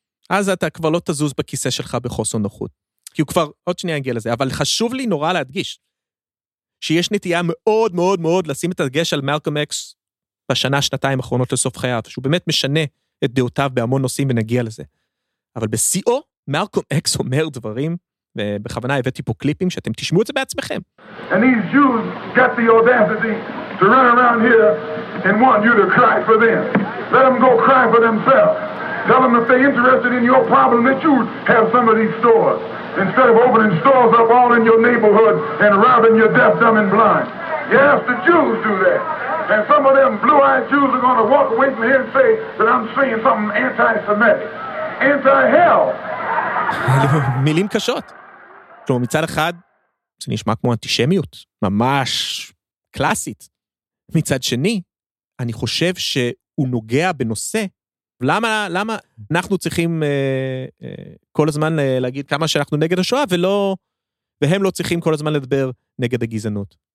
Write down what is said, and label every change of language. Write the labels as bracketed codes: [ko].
[he] אז אתה כבר לא תזוז בכיסא שלך בחוסר נוחות. כי הוא כבר, עוד שנייה נגיע לזה, אבל חשוב לי נורא להדגיש, שיש נטייה מאוד מאוד מאוד לשים את הדגש על מלקום אקס בשנה, שנתיים האחרונות לסוף חייו, שהוא באמת משנה את דעותיו בהמון נושאים ונגיע לזה. אבל בסיאו, מלקום אקס אומר דברים, ובכוונה הבאתי פה קליפים שאתם תשמעו את זה בעצמכם. [en] And these Jews got the audacity to run around here and want you to cry for them. Let them go cry for themselves. Tell them if they're interested in your problem that you have some of these stores. Instead of opening stores up all in your neighborhood and robbing your deaf, dumb, and blind. Yes, the Jews do that. And some of them blue-eyed Jews are going to walk away from here and say that I'm saying something anti-Semitic. Anti-hell. [he] מילים קשות. כלומר, מצד אחד, זה נשמע כמו אנטישמיות, ממש קלאסית. מצד שני, אני חושב שהוא נוגע בנושא, למה אנחנו צריכים כל הזמן להגיד כמה שאנחנו נגד השואה, והם לא צריכים כל הזמן לדבר נגד הגזענות.